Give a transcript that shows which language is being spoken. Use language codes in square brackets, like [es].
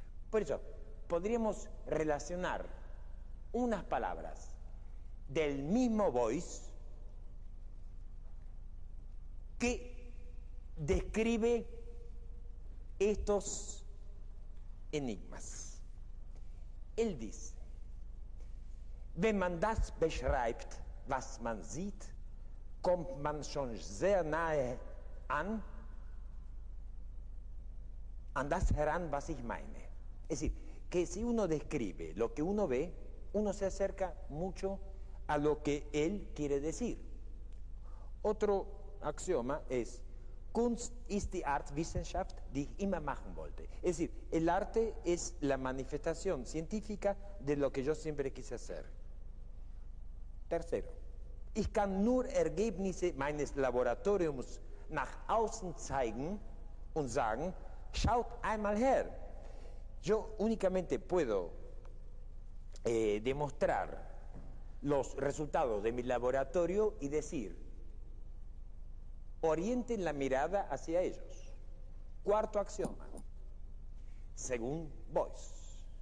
[es] Por eso, podríamos relacionar unas palabras del mismo Boyce que describe estos enigmas. Él dice: [de] Wenn man das beschreibt, was man sieht, kommt man schon sehr nahe an das heran, was ich meine. [es] Es decir, que si uno describe lo que uno ve, uno se acerca mucho a lo que él quiere decir. Otro axioma es: [de] Kunst ist die Art Wissenschaft, die ich immer machen wollte. [es] Es decir, el arte es la manifestación científica de lo que yo siempre quise hacer. Tercero, [de] ich kann nur Ergebnisse meines Laboratoriums nach außen zeigen und sagen, schaut einmal her. [es] Yo únicamente puedo demostrar los resultados de mi laboratorio y decir: orienten la mirada hacia ellos. Cuarto axioma, según Boyce: